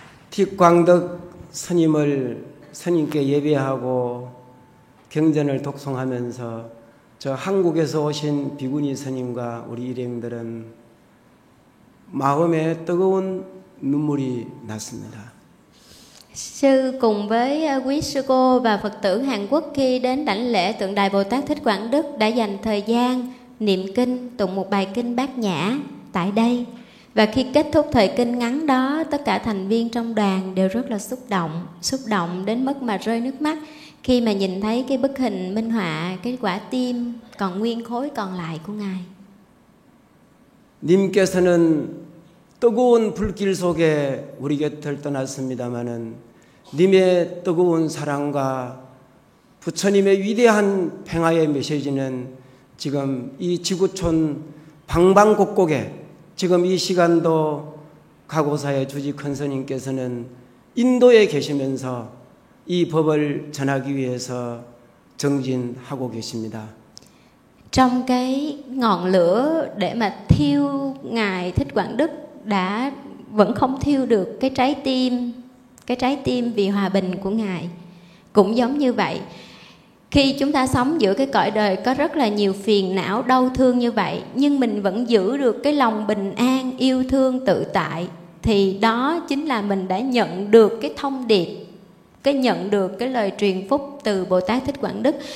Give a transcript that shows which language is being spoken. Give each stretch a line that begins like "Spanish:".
Korean: Thích Quảng Đức 스님을 스님께 예배하고 경전을 독송하면서 저 한국에서 오신 비구니 스님과 우리 일행들은 마음에 뜨거운 눈물이 났습니다.
Vietnamese: Sư cùng với quý sư cô và Phật tử Hàn Quốc khi đến đảnh lễ tượng đài Bồ Tát Thích Quảng Đức đã dành thời gian niệm kinh, tụng một bài kinh Bát Nhã tại đây. Và khi kết thúc thời kinh ngắn đó, tất cả thành viên trong đoàn đều rất là xúc động đến mức mà rơi nước mắt khi mà nhìn thấy cái bức hình minh họa, cái quả tim còn nguyên khối còn lại của Ngài.
Korean: 님께서는 뜨거운 불길 속에 우리 곁을 떠났습니다마는 님의 뜨거운 사랑과 부처님의 위대한 평화의 메시지는 지금 이 지구촌 방방곡곡에 지금 이 시간도 가고사의 주지 큰스님께서는 인도에 계시면서 이 법을 전하기 위해서 정진하고 계십니다.
Vietnamese: Trong cái ngọn lửa để mà thiêu Ngài Thích Quảng Đức đã vẫn không thiêu được cái trái tim vì hòa bình của Ngài. Cũng giống như vậy, khi chúng ta sống giữa cái cõi đời có rất là nhiều phiền não đau thương như vậy, nhưng mình vẫn giữ được cái lòng bình an, yêu thương, tự tại, thì đó chính là mình đã nhận được cái thông điệp, cái nhận được cái lời truyền phúc từ Bồ Tát Thích Quảng Đức.